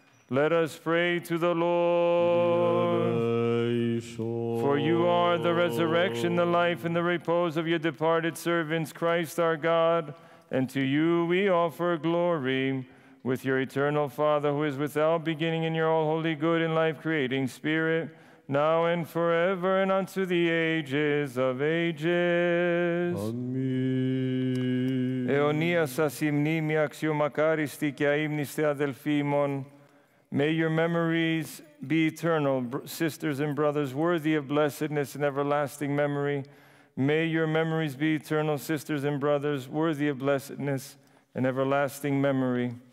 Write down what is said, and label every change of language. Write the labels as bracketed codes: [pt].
[en] Let us pray to the Lord. For you are the resurrection, the life, and the repose of your departed servants, Christ our God. And to you we offer glory with your eternal Father, who is without beginning in your all-holy good and life-creating Spirit, now and forever and unto the ages of ages. Amen. [el] Αιωνία σας η μνήμη αξιομακάριστη και αείμνηστε αδελφοί ημών. [en] May your memories be eternal, sisters and brothers, worthy of blessedness and everlasting memory. May your memories be eternal, sisters and brothers, worthy of blessedness and everlasting memory.